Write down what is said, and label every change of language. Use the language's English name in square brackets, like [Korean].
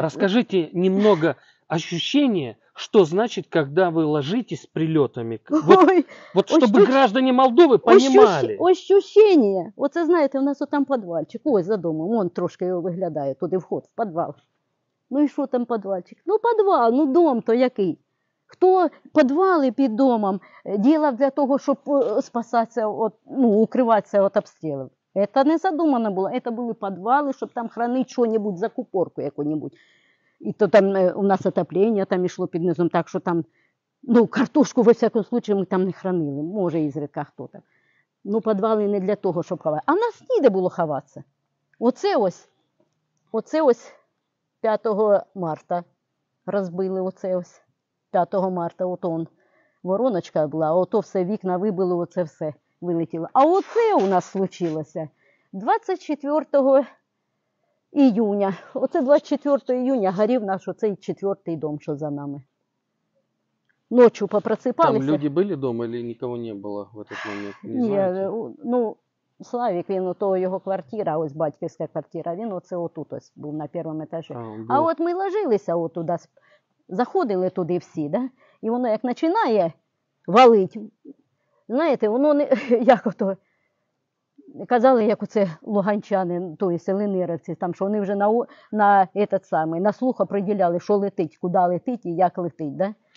[Russian] Расскажите немного ощущение, что значит, когда вы ложитесь с прилетами. Вот, ой, вот чтобы граждане Молдовы понимали. Ощущение. Вот вы знаете, у нас вот там подвальчик. Ой, за домом. Вон трошки его выглядает. Тут и вход в подвал. Ну и что там подвальчик? Ну подвал, ну дом-то який. [Ukrainian] Хто подвали під домом делав для того, щоб спасатися, от, ну, укриватися от обстрілів? [Russian] Это не задумано было. Это были подвалы, чтобы там хранить что-нибудь, закупорку какую-нибудь. И то там у нас отопление там и шло под низом, так что там, ну, картошку, во всяком случае, мы там не хранили. Может, изредка кто-то. Ну, подвали не для того, чтобы ховать. [Ukrainian] А нас ніде було ховатися. Оце ось 5 марта розбили оце ось. 5 марта, от он, вороночка була, ото все вікна вибили, оце все вилетіло. А оце у нас случилося 24 іюня. Оце 24 іюня горів наш оцей четвертий дом, що за нами. [Russian] Ночью попросыпались. Там люди были дома или никого не было в этот момент? [Ukrainian] Нет, ну, Славик, він, то его квартира, ось батьківська квартира, він оце отут ось був [Russian] на первом этаже. А вот мы ложилися отуда, заходили туди всі, да? [Ukrainian] И воно як начинає валить, знаєте, воно не, як ото, казали, як оце луганчани, то есть селениревці, там, що вони вже [Russian] на этот самый, на слух определяли, [Ukrainian] що летить, куди летить і як летить, да?